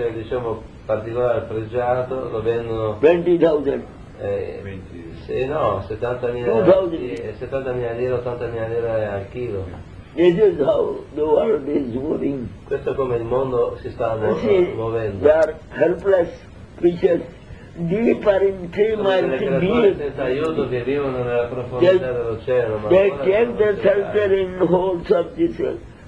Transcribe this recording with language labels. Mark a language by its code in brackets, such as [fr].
[it] Un chilo di pesce, diciamo, particolare, pregiato, lo vendono... 20,000. Sì, no, 70.000 lire, 80.000 lire al chilo. [en] This is how the world is moving. [it] Questo è come il mondo si sta muovendo. [en] They are helpless creatures, deeper in 3 miles deep. [it] Sono delle creature senza aiuto che vivono nella profondità dell'oceano. [en] They take their shelter in holes of this earth.